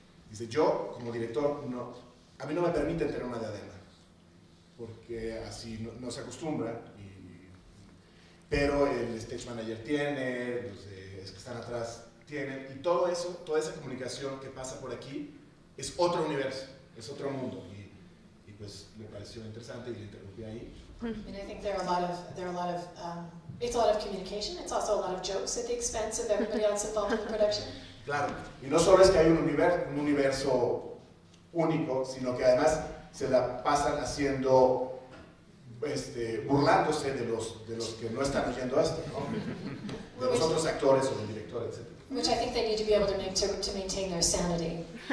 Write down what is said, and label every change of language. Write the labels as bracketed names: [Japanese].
[Spanish] Dice, yo como director, no, a mí no me permiten tener una diadema, porque así no se acostumbra, pero el stage manager tiene, los es que están atrás tienen, y todo eso, toda esa comunicación que pasa por aquí es otro universo, es otro mundo. [English] I mean, I think there are a lot of It's a lot of communication. It's also a lot of jokes at the expense of everybody else involved in the production. [Spanish] Claro. Y no solo es que hay un universo único, sino que además se la pasan haciendo, este, burlándose de los que no están oyendo esto, ¿no? De los otros actores o del director, etc. [English] Which I think they need to be able to make to maintain their sanity.